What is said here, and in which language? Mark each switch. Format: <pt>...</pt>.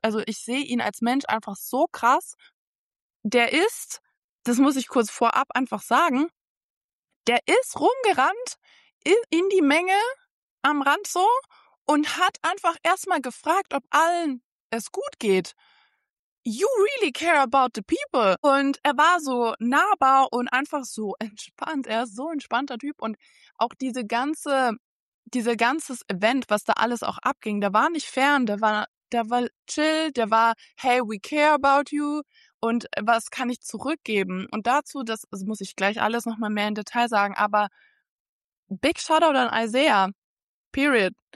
<de>Also ich sehe ihn als Mensch einfach so krass. Der ist, das muss ich kurz vorab einfach sagen, der ist rumgerannt in die Menge am Rand so und hat einfach erstmal gefragt, ob allen es gut geht.</de> <en>You really care about the people.</en> <de>Und er war so nahbar und einfach so entspannt. Er ist so ein entspannter Typ. Und auch dieses Event, was da alles auch abging, der war nicht fern, der war chill, der war,</de> <en>hey, we care about you.</en> <de>Und was kann ich zurückgeben? Und dazu, das muss ich gleich alles nochmal mehr in Detail sagen, aber</de> <en>big shoutout</en> <de>an Isaiah. Period.</de>